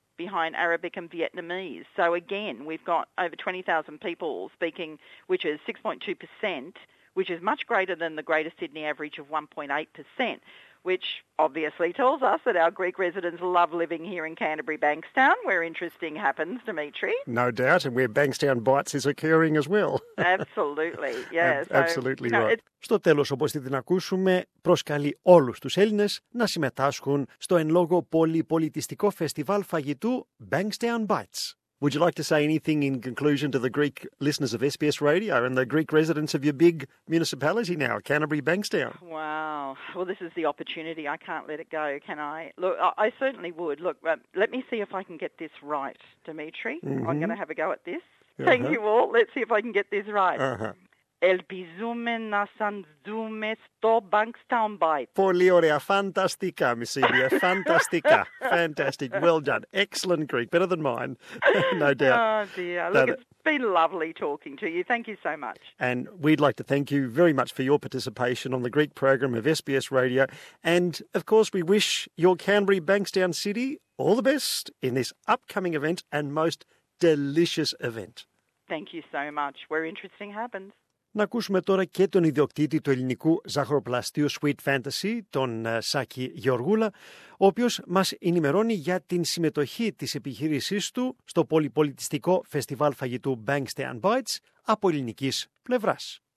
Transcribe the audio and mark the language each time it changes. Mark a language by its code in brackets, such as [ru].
[en] behind Arabic and Vietnamese. So again, we've got over 20,000 people speaking, which is 6.2%, which is much greater than the Greater Sydney average of 1.8%, which obviously tells us that our Greek residents love living here in Canterbury-Bankstown, where interesting happens, Dimitri. No doubt, and where Bankstown Bites is occurring as well. Absolutely, yes. Absolutely so, right. [el] Στο τέλος, όπως ήδη την ακούσουμε, προσκαλεί όλους τους Έλληνες να συμμετάσχουν στο εν λόγω πολυπολιτιστικό φεστιβάλ φαγητού Bankstown Bites. [en] Would you like to say anything in conclusion to the Greek listeners of SBS Radio and the Greek residents of your big municipality now, Canterbury-Bankstown? Wow. Well, this is the opportunity. I can't let it go, can I? Look, I certainly would. Look, let me see if I can get this right, Dimitri. Mm-hmm. I'm going to have a go at this. Uh-huh. Thank you all. Let's see if I can get this right. [el] Ελπίζουμε να σας δούμε στο Bankstown Bites. Πολύ ωραία. Φανταστικά, Μισίδια. Φανταστικά. [en] Fantastic. Well done. Excellent Greek. Better than mine. No doubt. Oh, dear. It's been lovely talking to you. Thank you so much. And we'd like to thank you very much for your participation on the Greek program of SBS Radio. And, of course, we wish your Canberra-Bankstown city all the best in this upcoming event and most delicious event. Thank you so much. Where interesting happens. [el] Να ακούσουμε τώρα και τον ιδιοκτήτη του ελληνικού ζαχαροπλαστείου Sweet Fantasy, τον Σάκη Γεωργούλα, ο οποίος μας ενημερώνει για την συμμετοχή της επιχείρησής του στο πολυπολιτιστικό φεστιβάλ φαγητού Bankstown Bites από ελληνικής πλευράς.